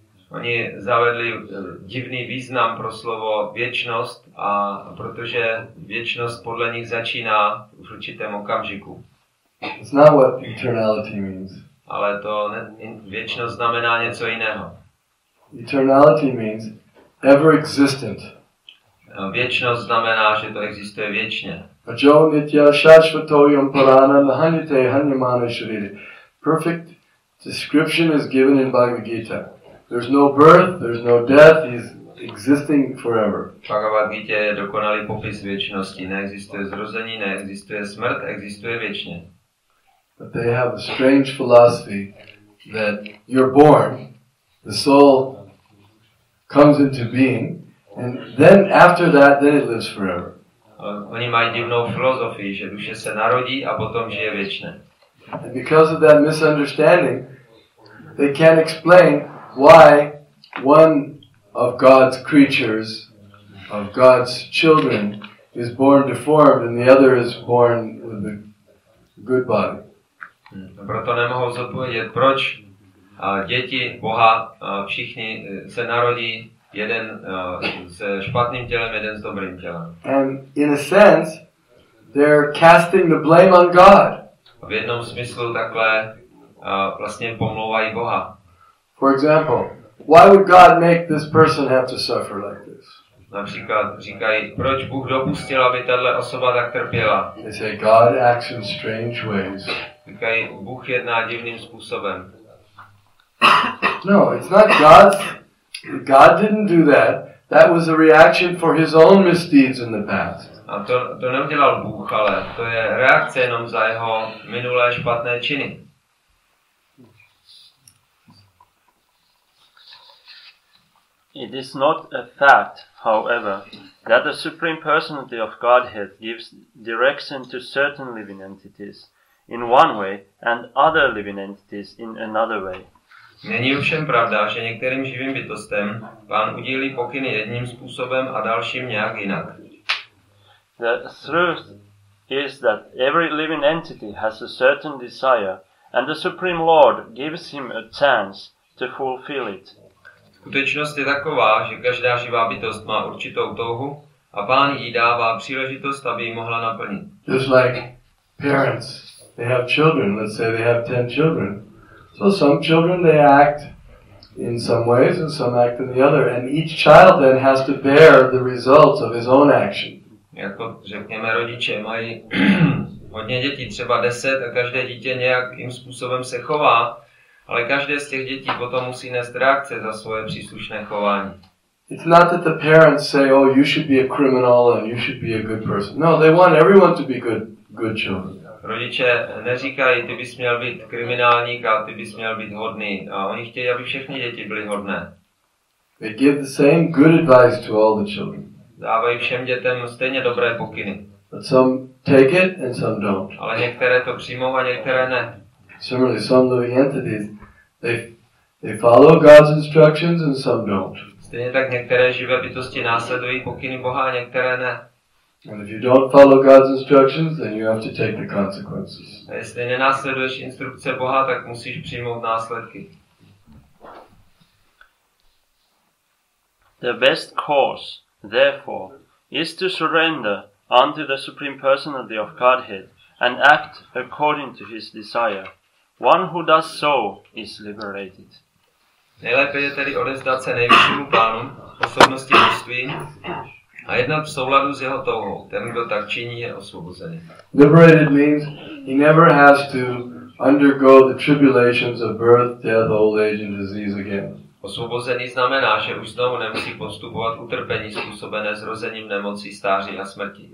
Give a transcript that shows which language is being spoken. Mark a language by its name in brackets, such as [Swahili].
[Czech] Oni zavedli divný význam pro slovo věčnost, a protože věčnost podle nich začíná v určitém okamžiku. [English] It's not what eternality means. [Czech] Ale to věčnost znamená něco jiného. [English] Eternality means ever existent. [Czech] Věčnost znamená, že to existuje věčně. [Sanskrit] Ajo nitya shashvatoyam purana nahanyate hanyamana shriri. [English] Perfect description is given in Bhagavad Gita. There's no birth, there's no death, he's existing forever. [Czech] Bhagavad Gita je dokonalý popis věčnosti. Neexistuje zrození, neexistuje smrt, existuje věčně. [English] But they have a strange philosophy that you're born, the soul comes into being, and then after that, then it lives forever. [Czech] Oni mají divnou filozofii, že duše se narodí a potom žije věčně. [English] And because of that misunderstanding, they can't explain why one of God's creatures, of God's children, is born deformed and the other is born with a good body. [Czech] Proto nemohou zodpovědět, proč děti Boha všichni se narodí jeden se špatným tělem, jeden s dobrým tělem. [English] And in a sense, they're casting the blame on God. [Czech] V jednom smyslu takhle vlastně pomlouvají Boha. [English] For example, why would God make this person have to suffer like this? [Czech] Například říkají, proč Bůh dopustil, aby tato osoba tak trpěla? [English] They say God acts in strange ways. [Czech] Říkají, Bůh jedná divným způsobem. [English] No, it's not God's. God didn't do that. That was a reaction for his own misdeeds in the past. [Czech] A to neudělal Bůh, ale to je reakce jenom za jeho minulé špatné činy. [English] It is not a fact, however, that the Supreme Personality of Godhead gives direction to certain living entities in one way and other living entities in another way. [Czech] Není ovšem pravda, že některým živým bytostem Pán udílí pokyny jedním způsobem a dalším nějak jinak. [English] The truth is that every living entity has a certain desire and the Supreme Lord gives him a chance to fulfill it. [Czech] Skutečnost je taková, že každá živá bytost má určitou touhu a Pán jí dává příležitost, aby ji mohla naplnit. [English] Just like parents, they have children, let's say they have 10 children. So some children they act in some ways and some act in the other, and each child then has to bear the results of his own action. [Czech] Jako řekněme, rodiče mají hodně dětí, třeba 10, a každé dítě nějakým způsobem se chová. Ale každé z těch dětí potom musí nést reakce za svoje příslušné chování. [English] It's not that the parents say, oh, you should be a criminal and you should be a good person. No, they want everyone to be good children. [Czech] Rodiče neříkají, ty bys měl být kriminálník a ty bys měl být hodný. A oni chtějí, aby všechny děti byly hodné. [English] They give the same good advice to all the children. [Czech] Dávají všem dětem stejně dobré pokyny. [English] But some take it and some don't. [Czech] Ale některé to přijmou a některé ne. [English] Similarly, some living entities, they follow God's instructions and some don't. [Czech] Stejně tak některé živé bytosti následují pokyny Boha a některé ne. [English] And if you don't follow God's instructions, then you have to take the consequences. [Czech] A jestli nenásleduješ instrukce Boha, tak musíš přijmout následky. [English] The best course, therefore, is to surrender unto the Supreme Personality of Godhead and act according to His desire. One who does so is liberated. [Czech] Nejlépe je tedy odevzdat se nejvyššímu plánu osobnosti božství a jednat v souladu s jeho touhou. Ten, kdo tak činí, je osvobozený. [English] Liberated means he never has to undergo the tribulations of birth, death, old age and disease again. [Czech] Osvobozený znamená, že už znovu nemusí postupovat utrpení způsobené zrozením, nemocí, stáří a smrti.